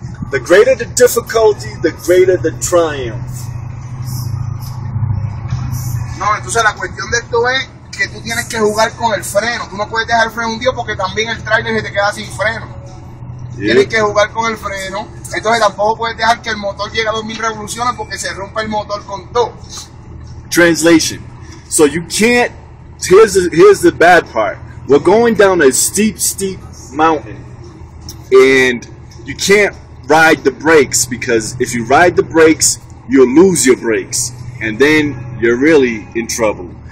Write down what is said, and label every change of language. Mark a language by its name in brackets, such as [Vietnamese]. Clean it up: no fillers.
[English] The greater the difficulty, the greater the triumph. [Spanish] No, entonces la cuestión de esto es que tú tienes que jugar con el freno. Tú no puedes dejar el freno hundido porque también el trailer se te queda sin freno. Yep. Tienes que jugar con el freno. Entonces tampoco puedes dejar que el motor llegue a 2000 revoluciones porque se rompa el motor con todo. [English] Translation. So you can't... Here's the bad part. We're going down a steep, steep mountain. And you can't ride the brakes, because if you ride the brakes, you'll lose your brakes, and then you're really in trouble.